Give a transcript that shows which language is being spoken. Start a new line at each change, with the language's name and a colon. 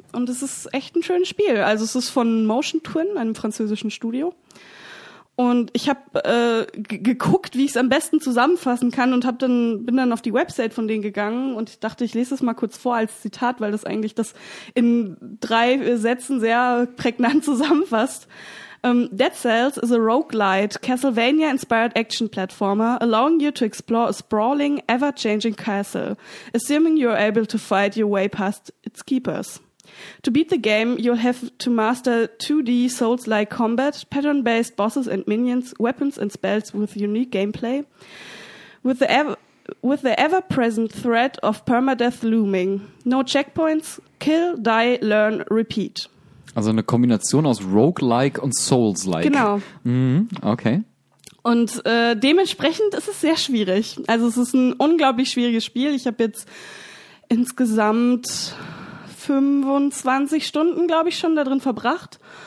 German: Und es ist echt ein schönes Spiel. Also es ist von Motion Twin, einem französischen Studio. Und ich habe geguckt, wie ich es am besten zusammenfassen kann und bin dann auf die Website von denen gegangen und ich dachte, ich lese es mal kurz vor als Zitat, weil das eigentlich das in 3 Sätzen sehr prägnant zusammenfasst.
English: Dead Cells is a roguelite Castlevania-inspired action platformer allowing you to explore a sprawling, ever-changing castle, assuming you're able to fight your way past its keepers. To beat the game, you'll have to master 2D Souls-like combat, pattern-based bosses and minions, weapons and spells with unique gameplay, with the ever-present threat of permadeath looming. No checkpoints, kill, die, learn, repeat.
German: Also eine Kombination aus Roguelike und Souls-like. Genau. Okay. Und dementsprechend ist es sehr schwierig. Also es ist ein unglaublich schwieriges Spiel. Ich habe jetzt insgesamt 25 Stunden, glaube ich, schon da drin verbracht.